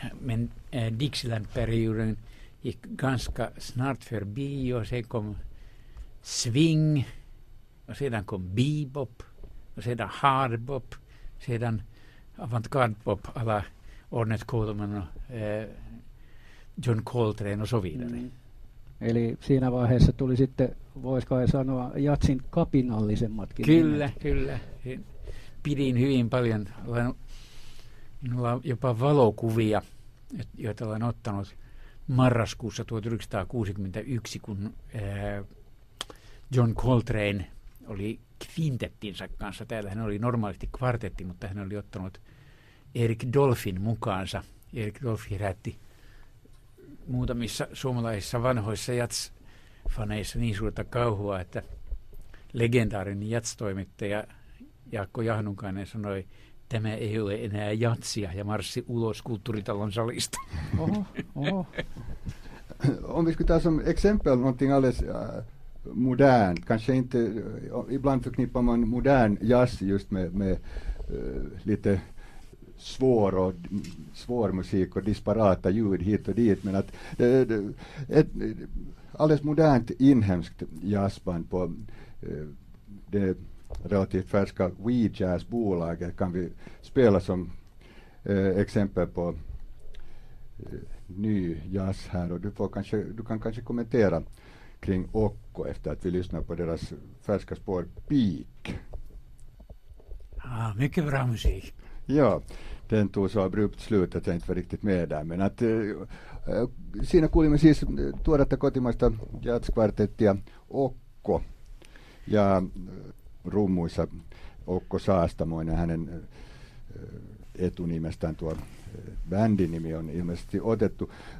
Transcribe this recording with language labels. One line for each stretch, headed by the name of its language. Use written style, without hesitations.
Swedish: Men Dixieland-perioden gick ganska snart förbi och sen kom swing och sedan kom bebop och sedan hardbop, sedan avantgardpop, alla Ornette Coleman och John Coltrane och så vidare. Mm.
Finnish: Eli siinä vaiheessa tuli sitten, voisiko sanoa, jatsin kapinallisemmatkin. Kyllä. Pidin hyvin paljon. Minulla on jopa valokuvia, joita olen ottanut marraskuussa 1961, kun John Coltrane oli kvintettinsä kanssa. Täällä hän oli normaalisti kvartetti, mutta hän oli ottanut Erik Dolfin mukaansa. Erik Dolfi herätti muutamissa suomalaisissa vanhoissa jazz-faneissa niin suurta kauhua, että legendaarinen jazz-toimittaja Jaakko Jahnunkainen sanoi, tämä ei ole enää jatsia, ja marssi ulos Kulttuuritalon salista. Oho.
Swedish: Om vi skulle ta som exempel någonting alldeles modern, kanske inte, ibland förknippar man modern jazz just med lite svår musik och disparata ljud hit och dit, men att ett alldeles modernt inhemskt jazzband på det relativt färska WeJazz-bolaget kan vi spela som exempel på ny jazz här, och du kan kanske kommentera kring Okko efter att vi lyssnar på deras färska spår Peak. Ah, mycket bra musik. Ja, den tog så abrupt slut att jag inte var riktigt med där. Men att
Finnish: siinä kuulimme siis tuoretta kotimaista jazzkvartettia Okko. Ja rummuissa Okko Saastamoinen, hänen etunimestään tuo bändinimi on ilmeisesti otettu.